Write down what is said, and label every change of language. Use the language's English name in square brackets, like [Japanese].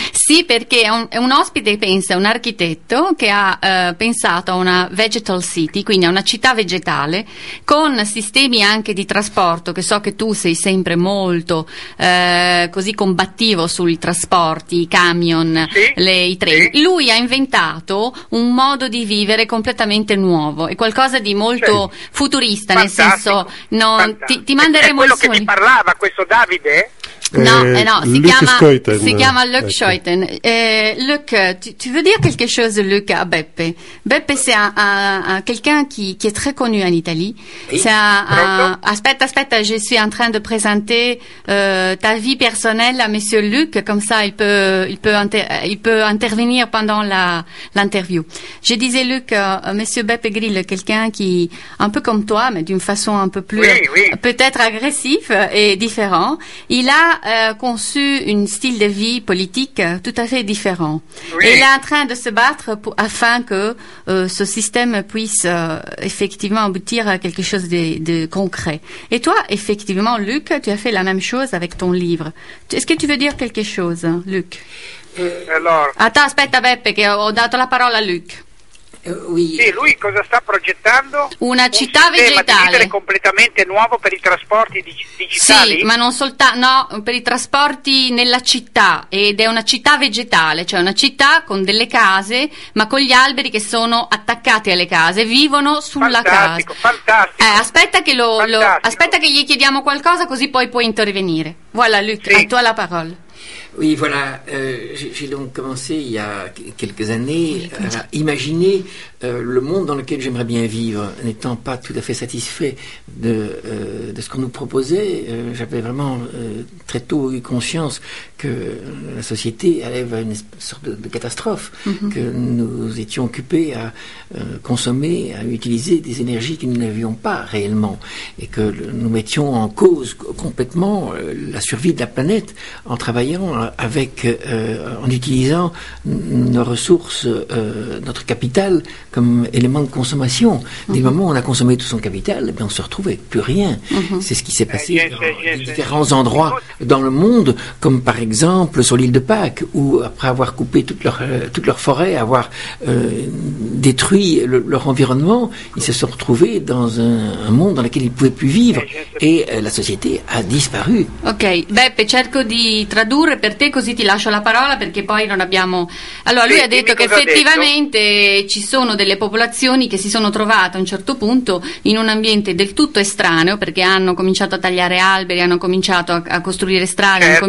[Italian] Sì, perché è un ospite, pensa, un architetto che ha pensato a una vegetal city, quindi a una città vegetale, con sistemi anche di trasporto, che so che tu sei sempre molto così combattivo sui trasporti, i camion, i treni. Sì. Lui ha inventato un modo di vivere completamente nuovo, è qualcosa di molto futurista, nel senso, no, ti manderemo il suo... È quello che mi parlava questo Davide? No, si chiama Luc Scheuten. [French] Luc, tu veux dire quelque chose, Luc, à Beppe? Beppe, c'est quelqu'un qui est très connu en Italie. Oui. C'est [Italian] aspetta, [French] je suis en train de présenter ta vie personnelle à Monsieur Luc, comme ça il peut intervenir pendant l'interview. Je disais, Luc, Monsieur Beppe Grill, quelqu'un qui, un peu comme toi, mais d'une façon un peu plus, peut-être agressif et différent, il a conçu un style de vie politique tout à fait différent. Oui. Et il est en train de se battre afin que ce système puisse effectivement aboutir à quelque chose de concret. Et toi, effectivement, Luc, tu as fait la même chose avec ton livre. Est-ce que tu veux dire quelque chose, Luc? Alors... Attends, [Italian] aspetta, Beppe, che ho dato la parola a Luc. [French] Oui. [Italian] Sì, lui cosa sta progettando? Una città vegetale. Un sistema completamente nuovo per i trasporti digitali? Sì, ma non soltanto, no, per i trasporti nella città, ed è una città vegetale, cioè una città con delle case, ma con gli alberi che sono attaccati alle case, vivono sulla fantastico, casa. Fantastico, aspetta che aspetta che gli chiediamo qualcosa, così poi puoi intervenire. [French] Voilà, Luc, [Italian] sì. [French] A toi la parole. Oui, voilà, j'ai donc commencé il y a quelques années à imaginer le monde dans lequel j'aimerais bien vivre. N'étant pas tout à fait satisfait de ce qu'on nous proposait, j'avais vraiment très tôt eu conscience que la société allait vers une sorte de catastrophe, mm-hmm. que nous étions occupés à consommer, à utiliser des énergies que nous n'avions pas réellement, et que nous mettions en cause complètement la survie de la planète en travaillant en utilisant nos ressources, notre capital comme élément de consommation. Mm-hmm. Dès le moment où on a consommé tout son capital, eh bien on se retrouve avec plus rien. Mm-hmm. C'est ce qui s'est passé dans différents endroits dans le monde, comme par exemple sur l'île de Pâques, où après avoir coupé toute leur forêt, avoir détruit leur environnement, ils se sont retrouvés dans un monde dans lequel ils ne pouvaient plus vivre, et la société a disparu. [Italian] Ok, Beppe, cerco di tradurre per te, così ti lascio la parola, perché poi non abbiamo... Allora, lui ha detto che effettivamente ci sono delle popolazioni che si sono trovate a un certo punto in un ambiente del tutto estraneo, perché hanno cominciato a tagliare alberi, hanno cominciato a costruire strade,